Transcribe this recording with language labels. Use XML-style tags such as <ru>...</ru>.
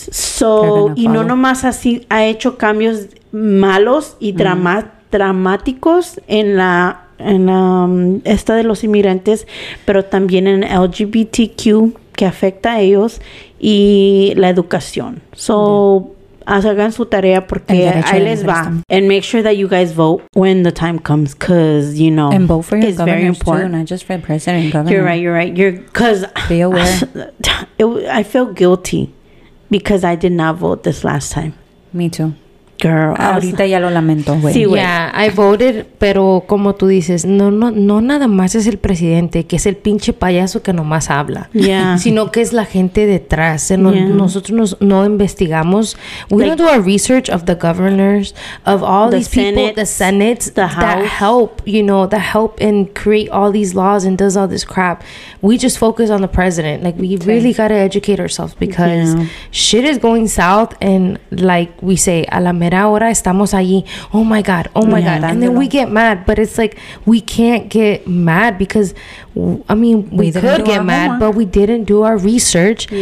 <es>So, y no nomás así, ha hecho cambios malos y dramáticos en la... en esta de los inmigrantes, pero también en LGBTQ, que afecta a ellos, y la educación. So, hagan su tarea porque ahí les va.</es> <en>And make sure that you guys vote when the time comes, because, you know, and vote for your governors very important. Too, not just for president and governor. You're right. Because I feel guilty because I did not vote this last time. Me too. Girl,</en> <es>ahorita ya lo lamento, güey. Sí,</es> <en>yeah, I voted,</en> <es>pero como tú dices, no nada más es el presidente, que es el pinche payaso que nomás habla, sino que es la gente detrás. Nosotros no investigamos.</es> <en>We don't do our research of the governors, of all the these Senate, people, the Senate, the House, that help, you know, that help and create all these laws and does all this crap. We just focus on the president. Like, we really gotta educate ourselves because shit is going south, and like we say,</en> <es>a la mera hora estamos allí,</es> <en>oh my god, oh my god, and then we get mad, but it's like we can't get mad because I mean we could get mad, but we didn't do our research.</en>